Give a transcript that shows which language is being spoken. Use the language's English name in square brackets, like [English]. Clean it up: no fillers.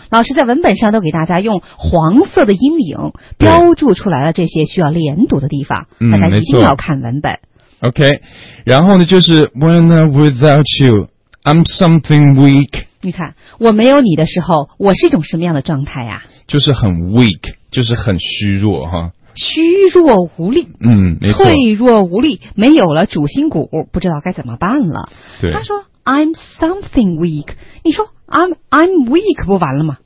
[Chinese] 老师在文本上都给大家用黄色的阴影标注出来了这些需要连读的地方，大家一定要看文本。 [English] OK. [Chinese] 然后呢，就是 [English] when I'm without you, I'm something weak. [Chinese] 你看，我没有你的时候，我是一种什么样的状态呀、啊？就是很 weak， 就是很虚弱哈。虚弱无力，嗯，没错，脆弱无力，没有了主心骨，不知道该怎么办了。对，他说 [English] I'm something weak， [Chinese] 你说 [English] I'm weak [Chinese] 不完了吗？